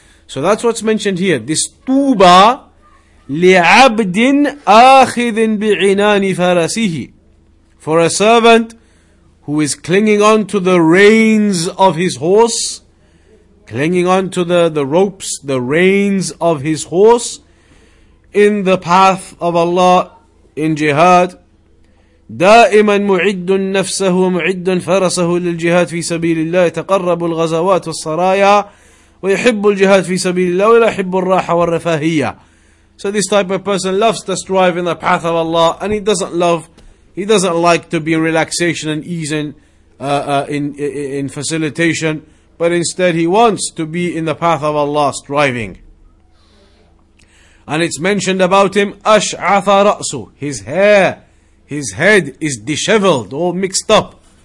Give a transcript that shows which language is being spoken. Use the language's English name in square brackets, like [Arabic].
[English] So that's what's mentioned here. This [Arabic] طُوبَى لِعَبْدٍ آخِذٍ بِعِنَانِ فَرَسِهِ. [English] For a servant who is clinging on to the reins of his horse, clinging on to the ropes, the reins of his horse, in the path of Allah, in jihad. [Arabic] دائماً معد نفسه ومعد فرسه للجهاد في سبيل الله يتقرب الغزوات والصرايا ويحب الجهاد في سبيل الله ولا يحب الراحة والرفاهية. [English] So this type of person loves to strive in the path of Allah, and he doesn't like to be in relaxation and ease and in facilitation. But instead he wants to be in the path of Allah, striving. And it's mentioned about him, [Arabic] أَشْعَثَ رَأْسُ. [English] His hair, his head is disheveled, all mixed up.